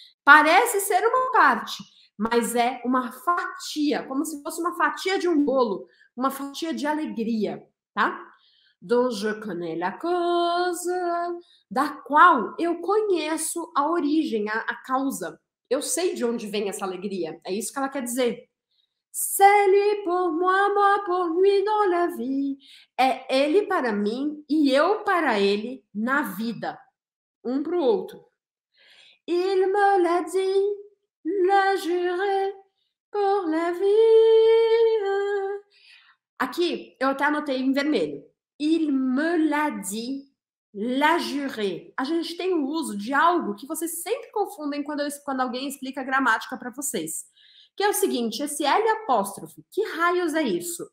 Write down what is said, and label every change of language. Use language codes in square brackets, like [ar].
[pt] Parece ser uma parte, mas é uma fatia, como se fosse uma fatia de um bolo. Uma fatia de alegria, tá? [fr] Dont je connais la cause, [pt] da qual eu conheço a origem, a causa. Eu sei de onde vem essa alegria. É isso que ela quer dizer. [fr] C'est lui pour moi, moi pour lui dans la vie. [pt] É ele para mim e eu para ele na vida. Um para o outro. [fr] Il me l'a dit, l'a juré pour la vie. [pt] Aqui, eu até anotei em vermelho. [fr] Il me l'a dit, l'a juré. [pt] A gente tem o uso de algo que vocês sempre confundem quando alguém explica a gramática para vocês. Que é o seguinte, esse L apóstrofe, que raios é isso?